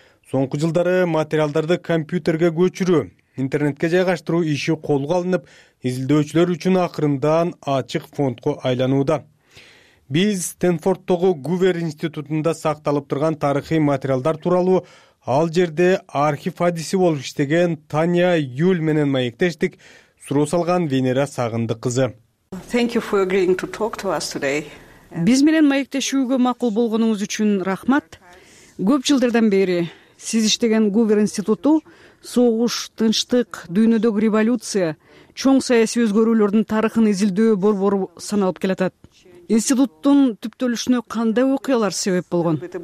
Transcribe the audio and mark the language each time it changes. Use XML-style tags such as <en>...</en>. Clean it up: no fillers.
<ky>Соңку жылдары материалдарды компьютерге көчүрүү, интернетке жайгаштыруу иши колго алынып, изилдөөчүлөр үчүн акырындан ачык фондко айланууда. Биз Стэнфордтогу Гувер институтунда сакталып турган тарыхый материалдар тууралуу ал жерде архив адиси болуп иштеген Таня Юль менен маектештик, суроо салган Венера Сагынды кызы.</ky> <en>Thank you for agreeing to talk to us today.</en> <ky>Биз менен маектешүүгө макул болгонуңуз үчүн рахмат. Көп жылдардан бери сиз иштеген Гувер институту согуш, тынчтык, дүйнөдөгү революция, чоң саясий өзгөрүүлөрдүн тарыхын изилдөө борбору саналып келатат. Институттун түптөлүшүнө кандай окуялар себеп болгон?</ky>